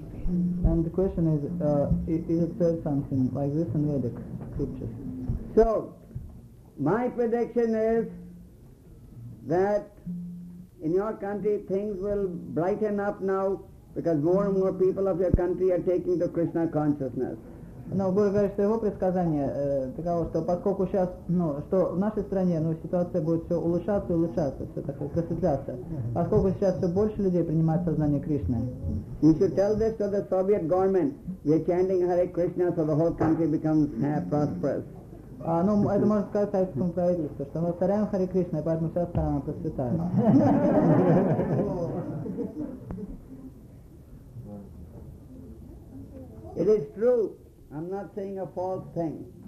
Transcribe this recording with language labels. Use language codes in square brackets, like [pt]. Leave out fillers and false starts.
[en] And the question is it said something like this in Vedic scriptures? So my prediction is that in your country things will brighten up now because more and more people of your country are taking to Krishna consciousness. [ru] Но Гуру говорит, что его предсказание таково, что поскольку сейчас, ну, что в нашей стране, ну, ситуация будет все улучшаться и улучшаться, все так просветляться. Поскольку сейчас все больше людей принимает сознание Кришны. [en] You should tell this to the Soviet government. We are chanting Hare Krishna, so the whole country becomes prosperous. [ru] Ну, это можно сказать советскому правительству, что мы повторяем Харе Кришна, и поэтому сейчас страна процветает. [en] It is true. I'm not saying a false thing.